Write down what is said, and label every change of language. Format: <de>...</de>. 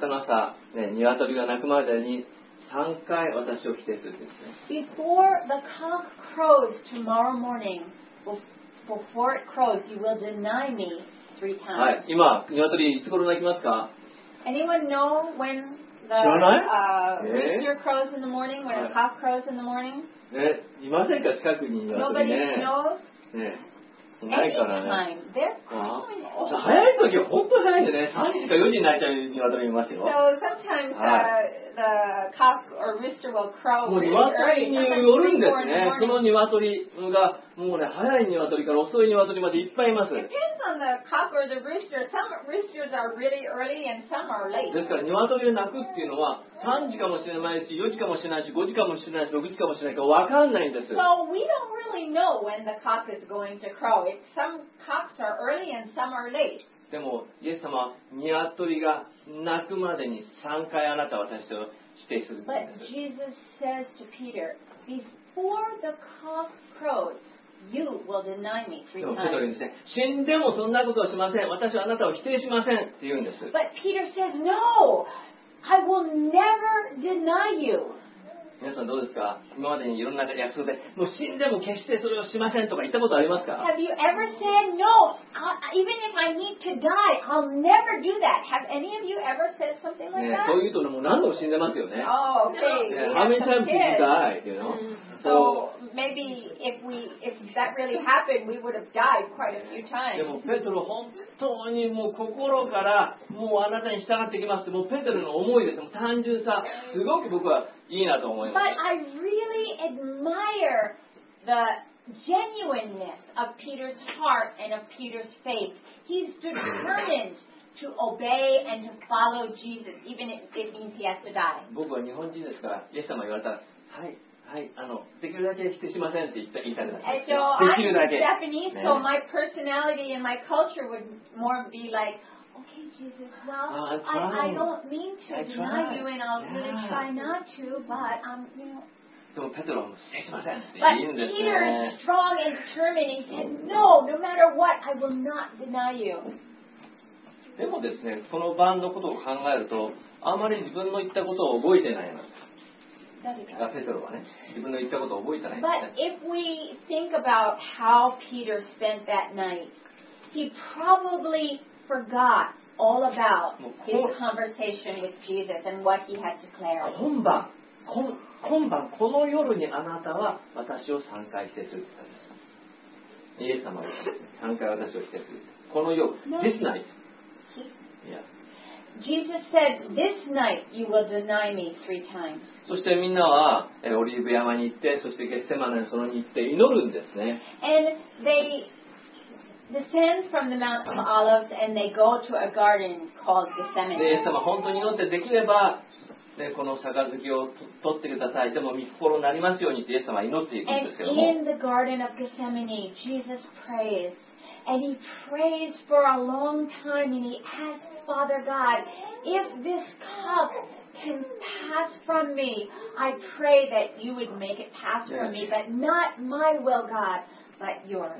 <ja>明日の朝、ね、ニワトリが鳴くまでに3回私を否定するですね。</ja> <en>Before the cock crows tomorrow morning, before it crows, you will deny me three times.</en> <ja>はい、今、鶏いつ頃鳴きますか</ja> <en>？Anyone know when the rooster crows in the morning, when the cock crows in the morning?</en> <ja>ね、いませんか近くに鶏ね。</ja> <en>Nobody knows. ね。</en> <ja>ないからね。早い時は本当に早いんでね。 3時か4時になっちゃう鶏もいますよ。</ja> <en>So sometimes, the cock or rooster will crow</en> <ja>もう鶏によるんですね。その鶏が、もうね、早い鶏から遅い鶏までいっぱいいます。</ja> <en>Depends on the cock or the rooster. Some roosters are really early and some are late.</en> <ja>ですから鶏が鳴くっていうのは、3時かもしれないし、4時かもしれないし、5時かもしれないし、6時かもしれないか分かんないんです。</ja> <en>So we don't really know when the cock is going to crow. Some cocks are early and some are late.</en> <ja>でもイエス様は鶏が鳴くまでに3回あなたは私を指定するんです。</ja> <en>But Jesus says to Peter, before the cock crows, You will deny me three times.</en> <ja>ペトロですね、死んでもそんなことはしません。私はあなたを否定しませんって言うんです。</ja> <en>But Peter says, no, I will never deny you.</en> <ja>皆さんどうですか？今までにいろんな約束で、もう死んでも決してそれをしませんとか言ったことありますか？</ja> <en>Have you ever said, no, even if I need to die, I'll never do that? Have any of you ever said something like that?</en> <ja>そういうとね、もう何度も死んでますよね。</ja> <en>Oh, okay. How many times did you die? You know? So maybe if that really happened, we would have died quite a few times.</en> <ja>でもペトロ本当にもう心からもうあなたに従ってきますって、もうペトロの思いです。もう単純さ、すごく僕はいいなと思います。</ja> <en>But I really admire the genuineness of Peter's heart and of Peter's faith. He's determined to obey and to follow Jesus, even if it means he has to die.</en> <ja>僕は日本人ですから、イエス様言われたら、はい。はい、できるだけしてしませんって言ったらできるだけ。</ja> <en>Japanese, so my personality and my culture would more be like, okay, Jesus, well, I don't mean to deny you and I'll really try not to, but you know.</en> <ja>でもペトロもしてしませんって言うんですね。</ja> <en>But Peter is strong and determined. He said, no, no matter what, I will not deny you.</en> <ja>でもですね、この晩のことを考えると、あまり自分の言ったことを覚えてないの。ペトロはね、自分の言ったことを覚えてない。</ja> <en>But if we think about how Peter spent that night, he probably forgot all about his conversation with Jesus and what he had declared.</en> <ja>今晩この夜にあなたは私を三回否定するって言ったんです。イエス様は三回私を否定するって。この夜、</ja> <en>this night. Jesus said, this night you will deny me three times.</en> <ja>そしてみんなはオリーブ山に行って、そしてゲッセマネの園に行って祈るんですね。</ja> <en>And they descend from the Mount of Olives and they go to a garden called Gethsemane.</en> <ja>で、イエス様本当に祈ってできれば、ね、この杯を取ってください。でも御心になりますようにってイエス様は祈っているんですけども。</ja> <en>And in the garden of Gethsemane, Jesus prays. And he prays for a long time and he asks,Father God, if this cup can pass from me, I pray that you would make it pass from me, but not my will, God, but yours.</en>